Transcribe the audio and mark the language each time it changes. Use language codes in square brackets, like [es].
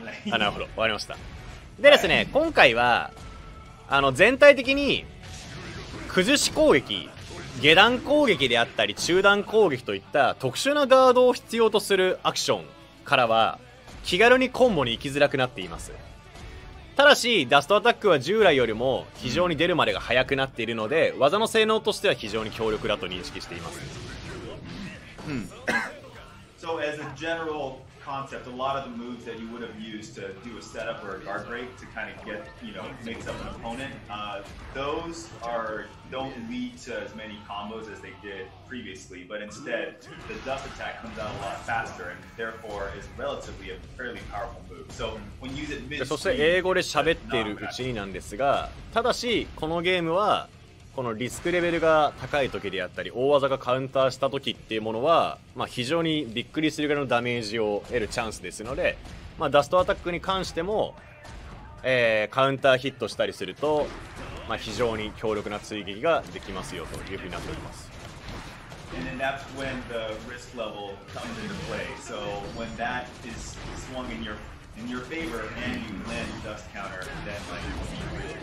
[ja] あ、なるほど、わかりました。でですね、今回は全体的に崩し攻撃、下段攻撃であったり中段攻撃といった特殊なガードを必要とするアクションからは気軽にコンボに行きづらくなっています。ただしダストアタックは従来よりも非常に出るまでが早くなっているので、うん、技の性能としては非常に強力だと認識しています。 [en] So as a general concept, a lot of the moves that you would have used to do a setup or a guard break to kind of get, you know, mix up an opponent, those are don't lead to as many combos as they did previously, but instead the dust attack comes out a lot faster and therefore is relatively a fairly powerful move. So when you use it mid-speed, [ja] そして英語で喋っているうちになんですが、ただしこのゲームはこのリスクレベルが高い時であったり大技がカウンターした時っていうものは、まあ、非常にびっくりするぐらいのダメージを得るチャンスですので、まあ、ダストアタックに関しても、カウンターヒットしたりすると、まあ、非常に強力な追撃ができますよというふうになっております。 [en] And then that's when the risk level comes into play. So when that is swung in your favor and you land dust counter, then like it will be really